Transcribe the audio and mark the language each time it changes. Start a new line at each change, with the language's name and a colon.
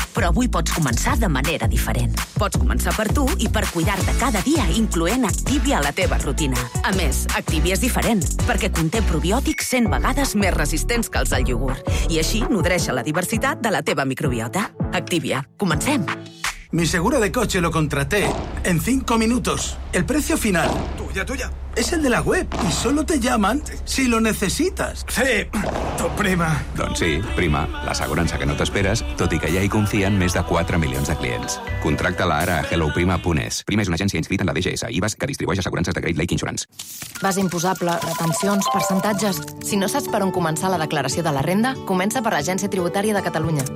Catalan: Però avui pots començar de manera diferent. Pots començar per tu i per cuidar-te cada dia, incloent Activia a la teva rutina. A més, Activia és diferent, perquè conté probiòtics 100 vegades més resistents que els del iogurt. I així nodreix la diversitat de la teva microbiota. Activia, comencem.
Spanish: Mi seguro de coche lo contraté en 5 minutos. El precio final... Tuya. Es el de la web y solo te llaman si lo necesitas. Sí, tu prima.
Catalan: Doncs sí, prima, l'assegurança que no t'esperes, tot i que ja hi confien més de 4 milions de clients. Contracta-la ara a helloprima.es. Prima és una agència inscrita en la DGS, IBAS, que distribueix assegurances de Great Lake Insurance. Base imposable, retencions, percentatges... Si no saps per on començar la declaració de la renda, comença per l'Agència Tributària de Catalunya.